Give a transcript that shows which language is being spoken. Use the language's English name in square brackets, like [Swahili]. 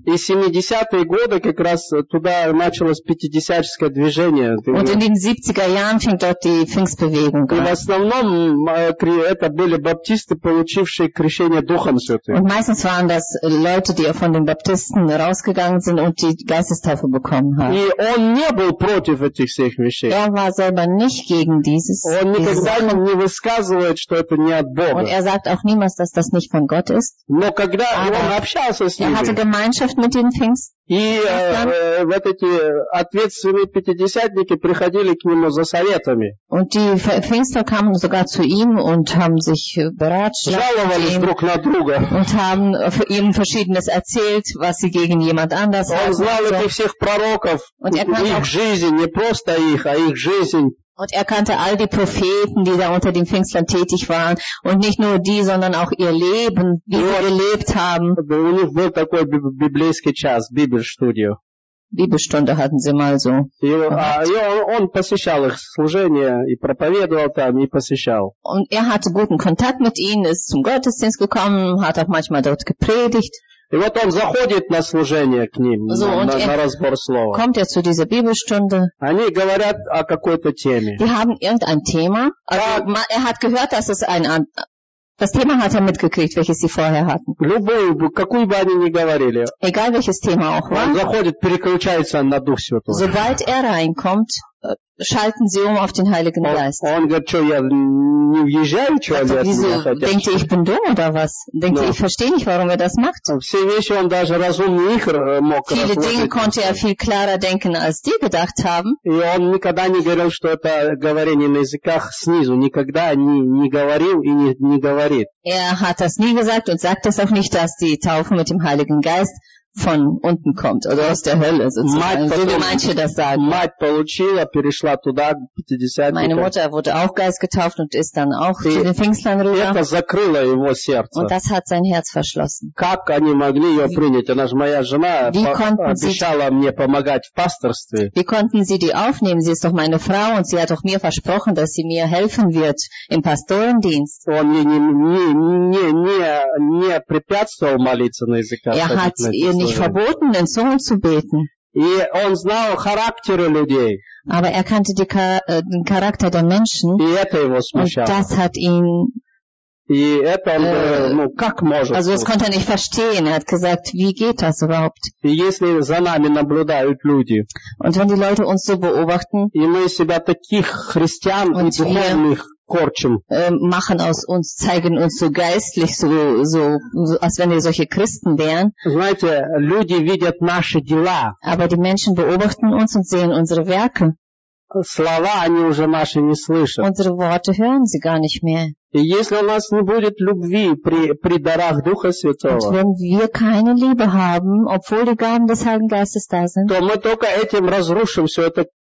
[Russian] И 70-е годы как раз туда началось пятидесятническое движение. [German] Und in den 70er Jahren fing dort die Pfingstbewegung an. [Russian] И в основном это были Баптисты, получившие крещение Духом Святым. [German] Und meistens waren das Leute, die von den Baptisten rausgegangen sind und die Geistestaufe bekommen haben. [Russian] И он не был против этих всех вещей. [German] Er war selber nicht gegen dieses. [Russian] Он никогда не высказывает, что это не от Бога. [German] Und er sagt auch niemals, dass das nicht von Gott ist. [Russian] Но когда он общался с ними. [German] Er hatte Gemeinschaft mit den Pfingsten. [Russian] И вот эти ответственные пятидесятники приходили к нему за советами. [German] Und die Pfingster kamen sogar zu ihm und haben sich beraten. [Russian] Жаловались друг на друга. [German] Und haben ihm Verschiedenes erzählt, was sie gegen jemand anders haben. [Russian] Он знал этих всех пророков, их жизнь, не просто их, а их жизнь. [German] Und er kannte all die Propheten, die da unter den Pfingstern tätig waren. Und nicht nur die, sondern auch ihr Leben, wie sie gelebt haben. [Russian] У них был такой библейский час, Библ-студио. Библ-студио [German] hatten sie mal so. [Russian] Он посещал их служение и проповедовал там, и посещал. [German] Und er hatte guten Kontakt mit ihnen, ist zum Gottesdienst gekommen, hat auch manchmal dort gepredigt. [Russian] И вот он заходит на служение к ним, [German] so, [Russian] на разбор слова. [German] Kommt er zu dieser Bibelstunde. [Russian] Они говорят о какой-то теме. [German] Die haben irgendein Thema. Also, ja. Er hat gehört, dass es ein... Das Thema hat er mitgekriegt, welches sie vorher hatten. [Russian] Любую, какую бы они ни говорили. [German] Egal, welches Thema auch war. [Russian] Он заходит, переключается на Дух Святого. [German] Sobald er reinkommt, schalten sie um auf den Heiligen Geist. [Russian] Он говорит, что я не въезжаю, что они от меня хотят. [German] Denkt ihr, ich bin dumm oder was? Denkt ihr, ich verstehe nicht, warum er das macht? [Russian] Все вещи он даже разумнее их мог. [German] Viele Dinge konnte er viel klarer denken, als die gedacht haben. [Russian] И он никогда не говорил, что это говорение на языках снизу. Никогда не говорил и не говорит. [German] Er hat das nie gesagt und sagt das auch nicht, dass die Taufe mit dem Heiligen Geist von unten kommt oder aus der Hölle sozusagen, wie manche das sagen. [Russian] Мать получила, перешла туда, 50-х. [German] Meine Mutter wurde auch Geist getauft und ist dann auch zu den Pfingstlern rüber. [Russian] Это закрыло его сердце. [German] Und das hat sein Herz verschlossen. [Russian] Как они могли ее принять? Она же моя жена, обещала мне помогать в пасторстве. [German] Wie konnten sie die aufnehmen? Sie ist doch meine Frau und sie hat doch mir versprochen, dass sie mir helfen wird im Pastorendienst. [Russian] Он не препятствовал молиться на языках. [German] Er hat ihr nicht verboten, in Zungen zu beten. [Russian] И он знал характеры людей. [German] Aber er kannte die den Charakter der Menschen. [Russian] И это его смущало. [German] Und das hat ihn... [Russian] И это он, ну, как может? [German] Also das konnte er nicht verstehen. Er hat gesagt, wie geht das überhaupt? [Russian] И если за нами наблюдают люди. [German] Und wenn die Leute uns so beobachten. [Russian] И мы себя таких христиан и духовных. [German] Machen aus uns, zeigen uns so geistlich, so als wenn wir solche Christen wären. [Russian] Знаете, люди видят наши дела. [German] Aber die Menschen beobachten uns und sehen unsere Werke. [Russian] Слова они уже наши не слышат. [German] Unsere Worte hören sie gar nicht mehr. [Russian] И если у нас не будет любви при дарах Духа Святого, [German] und wenn wir keine Liebe haben, obwohl die Gaben des Heiligen Geistes da sind, [Russian] то мы только этим разрушим все это.